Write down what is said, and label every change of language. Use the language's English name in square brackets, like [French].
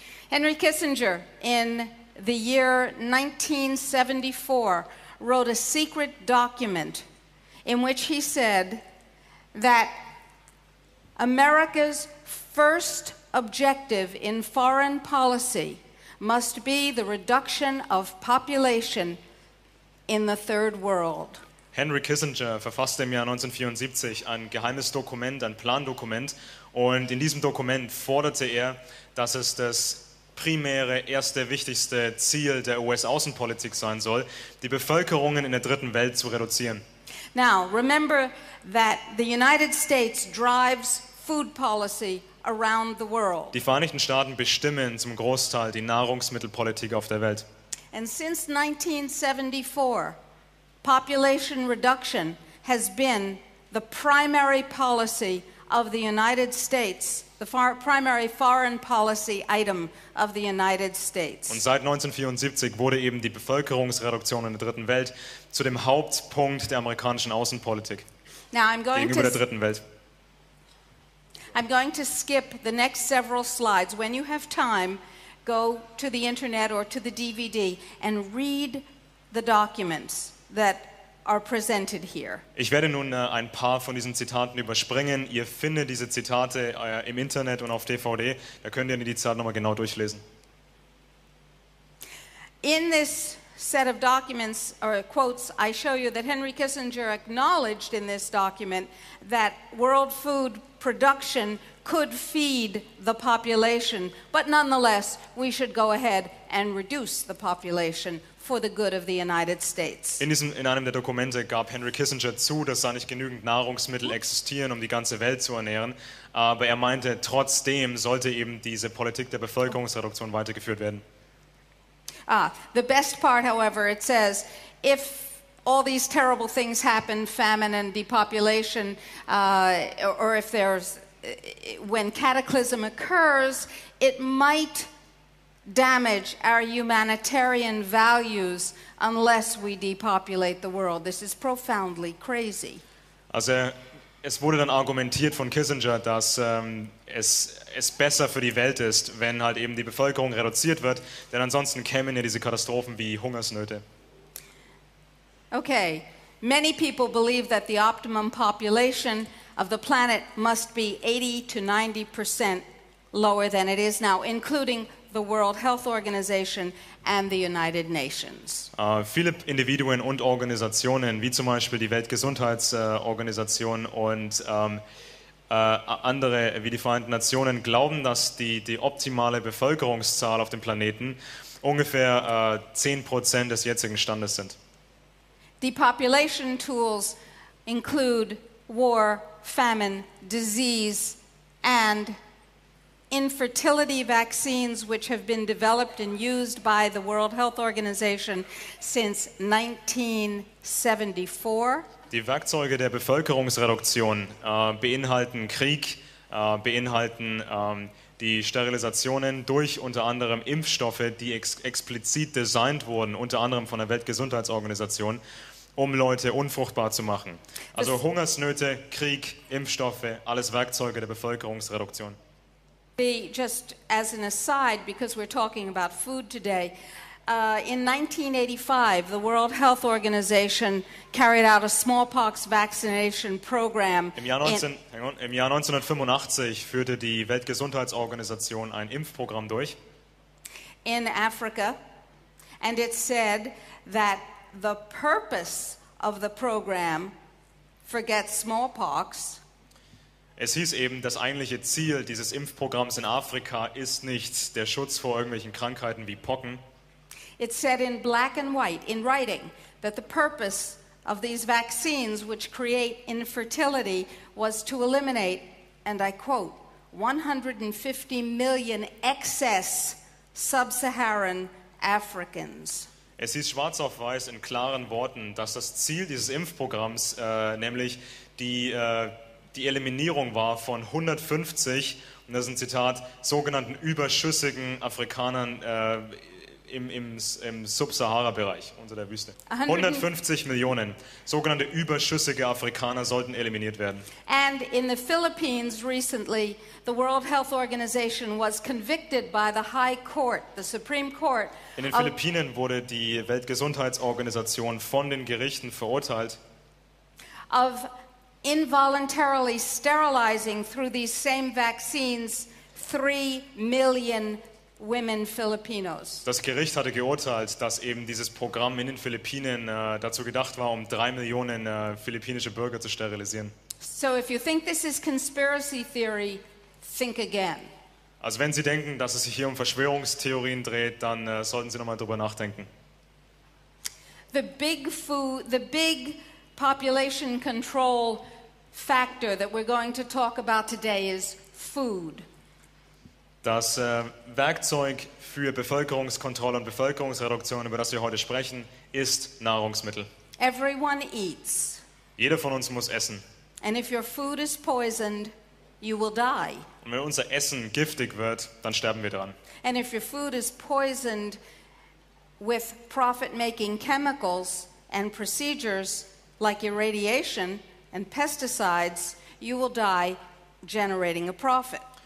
[English] Henry Kissinger in the year 1974 wrote a secret document in which he said that America's first objective in foreign policy must be the reduction of population in the third world. [German] Henry Kissinger verfasste im Jahr 1974 ein geheimes Dokument, ein Plandokument, und in diesem Dokument forderte er, dass es das primäre, erste, wichtigste Ziel der US-Außenpolitik sein soll, die Bevölkerungen in der dritten Welt zu reduzieren. [English] Now, remember that the United States drives food policy around the world. [German] Die Vereinigten Staaten bestimmen zum Großteil die Nahrungsmittelpolitik auf der Welt. [English] And since 1974, population reduction has been the primary policy of the United States, the primary foreign policy item of the United States. [German] Und seit 1974 wurde eben die Bevölkerungsreduktion in der dritten Welt zu dem Hauptpunkt der amerikanischen Außenpolitik. [English] Now I'm going [German] gegenüber der dritten Welt. [English] I'm going to skip the next several slides. When you have time, go to the internet or to the DVD and read the documents that are presented here. [German] Ich werde nun ein paar von diesen Zitaten überspringen. Ihr findet diese Zitate im Internet und auf DVD. Da könnt ihr die Zitate nochmal genau durchlesen. [English] In this set of documents or quotes, I show you that Henry Kissinger acknowledged in this document that world food production could feed the population, but nonetheless, we should go ahead and reduce the population for the good of the United States. [German] In einem der Dokumente gab Henry Kissinger zu, dass da nicht genügend Nahrungsmittel existieren, um die ganze Welt zu ernähren, aber er meinte, trotzdem sollte eben diese Politik der Bevölkerungsreduktion weitergeführt werden. [English] The best part, however, it says, if all these terrible things happen, famine and depopulation, or if there's when cataclysm occurs, it might damage our humanitarian values unless we depopulate the world. This is profoundly crazy. [German] Also, es wurde dann argumentiert von Kissinger, dass es besser für die Welt ist, wenn halt eben die Bevölkerung reduziert wird, denn ansonsten kämen ja diese Katastrophen wie Hungersnöte. [English] Okay, many people believe that the optimum population of the planet must be 80-90% lower than it is now, including the World Health Organization and the United Nations. [German] Viele Individuen und Organisationen, wie zum Beispiel die Weltgesundheitsorganisation und andere wie die Vereinten Nationen, glauben, dass die optimale Bevölkerungszahl auf dem Planeten ungefähr 10% des jetzigen Standes sind. [English] Depopulation tools include war, famine, disease and infertility vaccines, which have been developed and used by the World Health Organization since 1974. [German] Die Werkzeuge der Bevölkerungsreduktion beinhalten Krieg, beinhalten die Sterilisationen durch unter anderem Impfstoffe, die explizit designt wurden, unter anderem von der Weltgesundheitsorganisation, um Leute unfruchtbar zu machen. Also Hungersnöte, Krieg, Impfstoffe, alles Werkzeuge der Bevölkerungsreduktion. [English] Just as an aside, because we're talking about food today, in 1985, the World Health Organization carried out a smallpox vaccination program. [German] Im Jahr 1985 führte die Weltgesundheitsorganisation ein Impfprogramm durch. [English] In Africa, and it said that the purpose of the program, forget smallpox. [German] Es hieß eben, das eigentliche Ziel dieses Impfprogramms in Afrika ist nicht der Schutz vor irgendwelchen Krankheiten wie Pocken. [English] It said in black and white, in writing, that the purpose of these vaccines which create infertility was to eliminate, and I quote, 150 million excess sub-Saharan Africans. [German] Es hieß schwarz auf weiß in klaren Worten, dass das Ziel dieses Impfprogramms, nämlich die Eliminierung war von 150, und das ist ein Zitat, sogenannten überschüssigen Afrikanern im Sub-Sahara-Bereich unter der Wüste. 150 Millionen sogenannte überschüssige Afrikaner sollten eliminiert werden. [English] And in the Philippines recently, the World Health Organization was convicted by the High Court, the Supreme Court. [German] In den Philippinen wurde die Weltgesundheitsorganisation von den Gerichten verurteilt. [English] Of involuntarily sterilizing through these same vaccines 3 million women Filipinos. [German] Das Gericht hatte geurteilt, dass eben dieses Programm in den Philippinen dazu gedacht war, um 3 Millionen philippinische Bürger zu sterilisieren. [English] So if you think this is conspiracy theory, think again. [German] Also wenn Sie denken, dass es sich hier um Verschwörungstheorien dreht, dann sollten Sie nochmal drüber nachdenken. [English] The big population control factor that we're going to talk about today is food. [German] Das Werkzeug für Bevölkerungskontrolle und Bevölkerungsreduktion, über das wir heute sprechen, ist Nahrungsmittel. [English] Everyone eats. [German] Jeder von uns muss essen. [English] And if your food is poisoned, you will die. [German] Und wenn unser Essen giftig wird, dann sterben wir dran. [English] And if your food is poisoned with profit-making chemicals and procedures like irradiation and pesticides, you will die generating a profit.